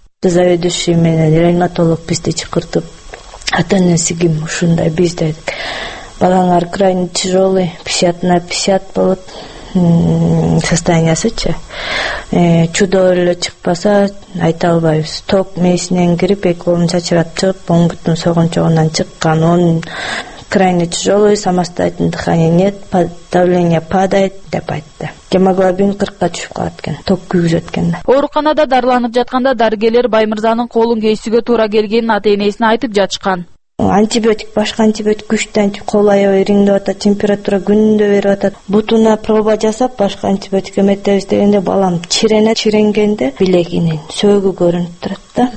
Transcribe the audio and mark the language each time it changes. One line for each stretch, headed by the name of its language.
Kyrgyz: Заведующий менен реаниматолог бизди чакыртып, ата-энеси ким ушундай бизди айтып. Балалар
Russian: крайне тяжелый,
Kyrgyz: 50/50 болот состояниясычы. Чудо эле чыкпаса айта албайбыз. Ток мээсинен кирип, эки колун чачыратып чыгып, оң бутун согончогунан чыккан.
Russian: Он крайне тяжелый, самостоятельное дыхание нет, давление падает
Kyrgyz: деп айтты. Гемоглобин 40-ка түшүп калат экен, ток күйгүзөт экен. Ооруканада дарыланып жатканда дарыгерлер Баймырзанын колун кесүүгө туура келгенин ата-энесине айтып жатышкан. Антибиотик, башка антибиотик, күчтүү антибиотик, кол аябай ириңдеп атат, температура күнүндө берип атат. Бутуна проба жасап, башка антибиотик эметебиз дегенде балам чиренет, чиренгенде билегинин сөөгү көрүнүп турат да.